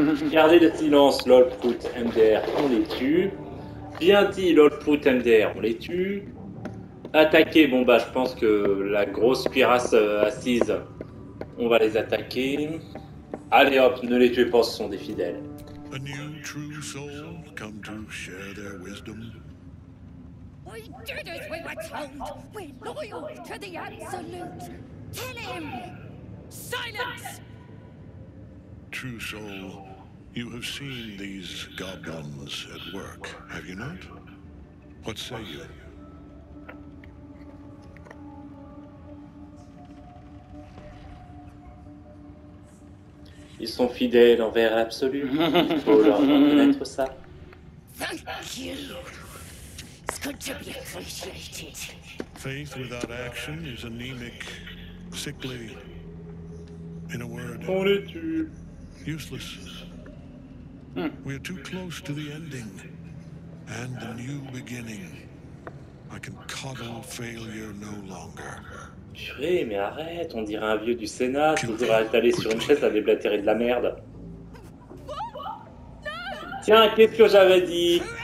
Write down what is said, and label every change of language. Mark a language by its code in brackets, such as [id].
[fr] Gardez le silence, lol prout MDR, on les tue. Bien dit, lol prout MDR, on les tue. Attaquer, bon bah, je pense que la grosse cuirasse assise, on va les attaquer. Allez hop, ne les tuez pas, ce sont des fidèles. [en] A new true soul come to share their wisdom. We did it, we were told. We're loyal to the absolute. Kill him! Silence! True soul, you have seen these goblins at work, have you not? What say you? [fr] Ils sont fidèles envers l'absolu. Il faut leur reconnaître ça. [en] Thank like you. It's good to be appreciated. Faith without action is anemic, sickly. In a word, useless. We are too close to the ending and the new beginning. I can coddle failure no longer. [fr] Purée, mais arrête, on dirait un vieux du Sénat, toujours étalé sur une chaise à déblatérer de la merde. Tiens, qu'est-ce que j'avais dit?